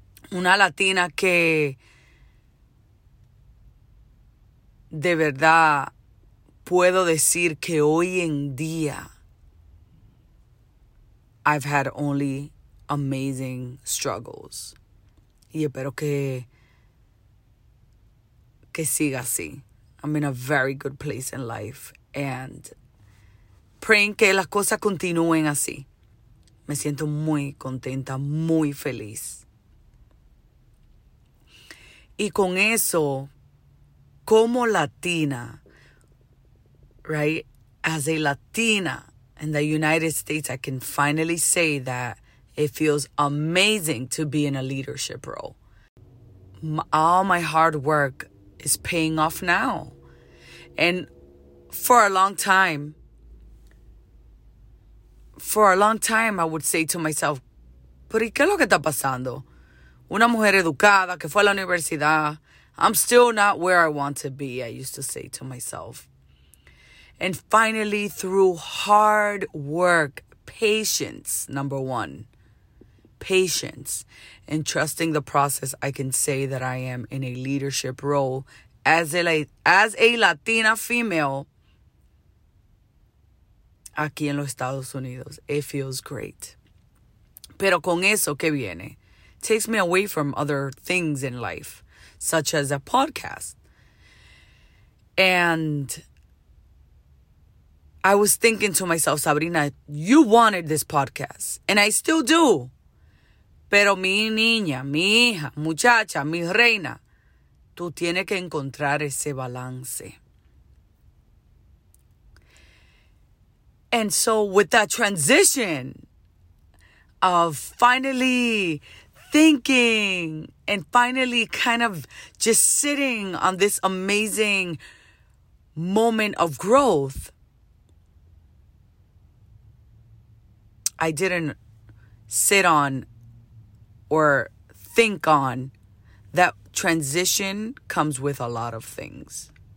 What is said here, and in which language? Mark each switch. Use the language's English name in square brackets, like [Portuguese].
[Spanish] Una Latina que de verdad puedo decir que hoy en día [English] I've had only amazing struggles. [Spanish] Y espero que siga así. [English] I'm in a very good place in life. And praying [Spanish] que las cosas continúen así. Me siento muy contenta, muy feliz. Y con eso, como Latina, right? [English] As a Latina in the United States, I can finally say that it feels amazing to be in a leadership role. All my hard work is paying off now. And for a long time, I would say to myself, [Spanish] ¿Pero qué es lo que está pasando? Una mujer educada que fue a la universidad. [English] I'm still not where I want to be, I used to say to myself. And finally, through hard work, patience, number one. Patience and trusting the process, I can say that I am in a leadership role as a Latina female [Spanish] aquí en los Estados Unidos. [English] It feels great. [Spanish] Pero con eso que viene, [English] takes me away from other things in life, such as a podcast. And I was thinking to myself, Sabrina, you wanted this podcast, and I still do. [Spanish] Pero mi niña, mi hija, muchacha, mi reina, tú tienes que encontrar ese balance. [English] And so with that transition of finally thinking and finally kind of just sitting on this amazing moment of growth, I didn't sit on or think on that transition comes with a lot of things.